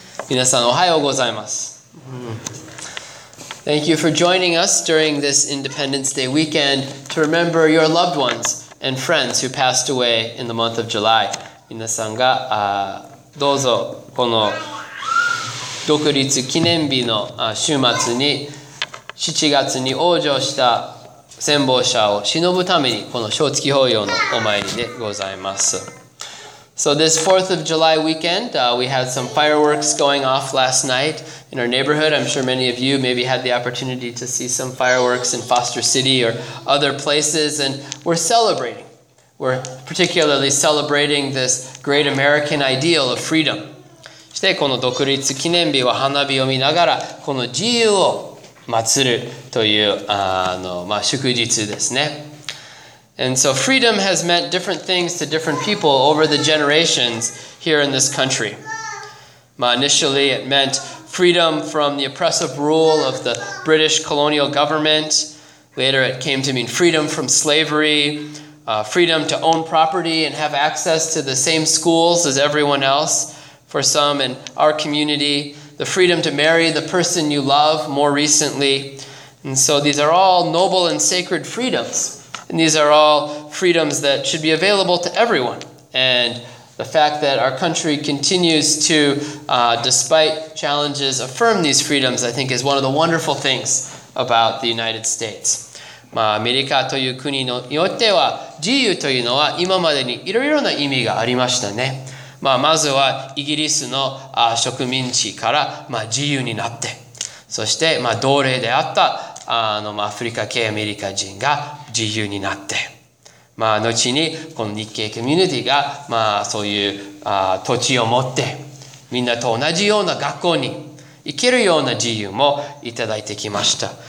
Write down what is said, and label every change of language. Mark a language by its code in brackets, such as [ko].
[ja] 皆さん、おはようございます。 [en] Thank you for joining us during this Independence Day weekend to remember your loved ones and friends who passed away in the month of July. [ja] 皆さんが、どうぞ、この独立記念日の週末に7月に往生した戦没者を偲ぶためにこの正月法要のお参りでございます。 [en] So this 4th of July weekend, we had some fireworks going off last night in our neighborhood. I'm sure many of you maybe had the opportunity to see some fireworks in Foster City or other places, and we're celebrating. We're particularly celebrating this great American ideal of freedom. [ja] そしてこの独立記念日は花火を見ながらこの自由を祭るという祝日ですね。 [en] And so freedom has meant different things to different people over the generations here in this country. Initially, it meant freedom from the oppressive rule of the British colonial government. Later, it came to mean freedom from slavery, freedom to own property and have access to the same schools as everyone else for some in our community. The freedom to marry the person you love more recently. And so these are all noble and sacred freedoms. And these are all freedoms that should be available to everyone. And the fact that our country continues to, despite challenges, affirm these freedoms, I think is one of the wonderful things about the United States. [ja] アメリカという国によっては、自由というのは今までにいろいろな意味がありましたね。まずはイギリスの植民地から自由になって、そして奴隷であったアフリカ系アメリカ人が自由になって、後にこの日系コミュニティがそういう土地を持って、みんなと同じような学校に行けるような自由もいただいてきました。